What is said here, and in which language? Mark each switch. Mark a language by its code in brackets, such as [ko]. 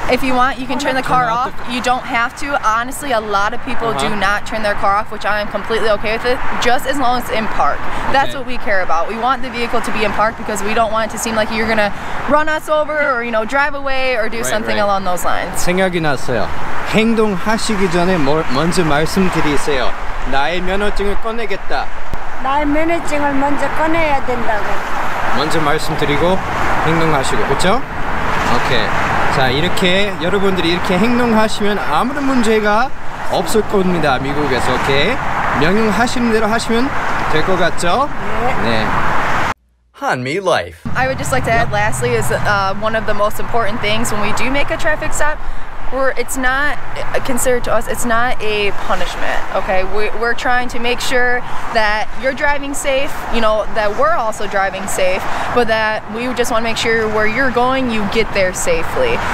[en] if you want, you can turn the car off. You don't have to. Honestly, a lot of people do not turn their car off, which I am completely okay with it, just as long as it's in park. That's what we care about. We want the vehicle to be in park because we don't want it to seem like you're going to run us over or, you know, drive away or do something along those lines. [ko] 생각이 났어요. 행동하시기 전에 먼저 말씀드리세요. 나의 면허증을 꺼내겠다. 나의 면허증을 먼저 꺼내야 된다고. 먼저 말씀드리고 행동하시고, 그렇죠? 오케이. 자, 이렇게 여러분들이 이렇게 행동하시면 아무런 문제가 없을 겁니다. 미국에서, 오케이? 명령하시는 대로 하시면 될 것 같죠? 네. 네. [en] Hanmi Life. I would just like to add lastly is one of the most important things when we do make a traffic stop. It's not considered to us, it's not a punishment, okay? We're trying to make sure that you're driving safe, you know, that we're also driving safe, but that we just want to make sure where you're going, you get there safely.